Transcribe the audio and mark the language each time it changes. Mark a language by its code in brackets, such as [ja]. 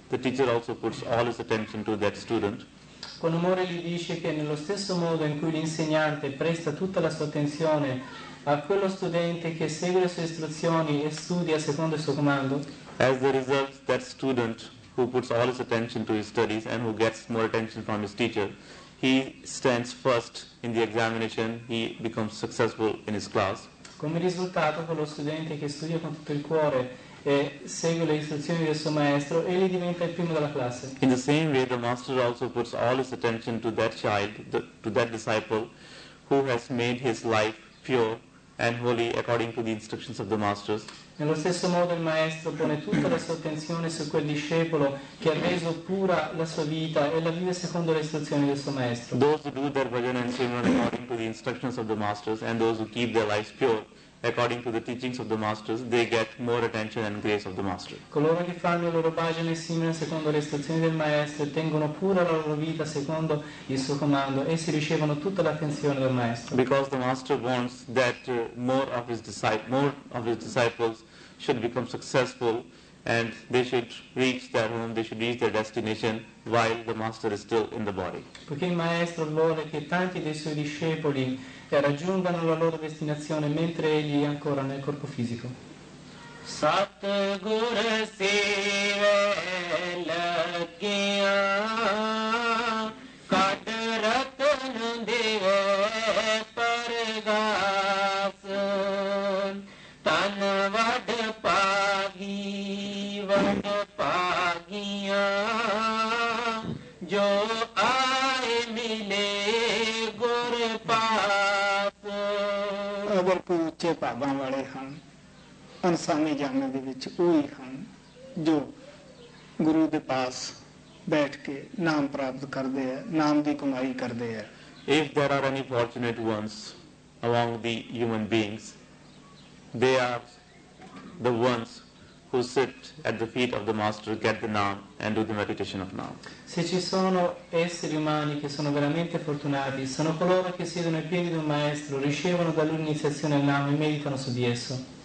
[en] The teacher also puts all his attention to that student. [it] Con umore gli dice che nello stesso modo in cui l'insegnante presta tutta la sua attenzione a quello studente che segue le sue istruzioni e studia secondo il suo comando. [en] As the result, that student who puts all his attention to his studies and who gets more attention from his teacher, he stands first in the examination, he becomes successful in his class. [it] Come risultato, quello studente che studia con tutto il cuore e segue le istruzioni del suo maestro, egli diventa il primo della classe. [en] In the same way, the master also puts all his attention to that child, to that disciple, who has made his life pure and holy according to the instructions of the masters. [it] Nello stesso modo, il maestro pone tutta la sua attenzione su quel discepolo che ha reso pura la sua vita e la vive secondo le istruzioni del suo maestro. [en] Those who do their bhajan and simran according to the instructions of the masters and those who keep their lives pure according to the teachings of the masters, they get more attention and grace of the master. [it] Coloro che fanno il loro bhajan e simran secondo le istruzioni del maestro e tengono pura la loro vita secondo il suo comando, essi ricevono tutta l'attenzione del maestro. [en] Because the master wants that more of his disciples should become successful and they should reach their home, they should reach their destination while the master is still in the body. [it] Perché il maestro vuole che tanti dei suoi discepoli raggiungano la loro destinazione mentre egli è ancora nel corpo fisico. [pa] Sat gur seve lagya kad ratan deve pargas tan vad paghi vad paghiya jo aaye mile gur pa. ਅਗਰ ਕੋਈ ਉੱਚੇ ਭਾਵਾਂ ਵਾਲੇ ਹਨ ਇਨਸਾਨੀ ਜਾਨਾਂ ਦੇ ਵਿੱਚ ਉਹੀ ਹਨ ਜੋ ਗੁਰੂ ਦੇ ਪਾਸ ਬੈਠ ਕੇ ਨਾਮ ਪ੍ਰਾਪਤ ਕਰਦੇ ਆ, ਨਾਮ ਦੀ ਕਮਾਈ ਕਰਦੇ ਆ। [en] If there are any fortunate ones along the human beings, they are the ones who sit at the feet of the master get the naam and do the meditation of naam. [it] Se ci sono esseri umani che sono veramente fortunati, sono coloro che siedono ai piedi di un maestro, ricevono da lui l'iniziazione al naam e meditano su di esso.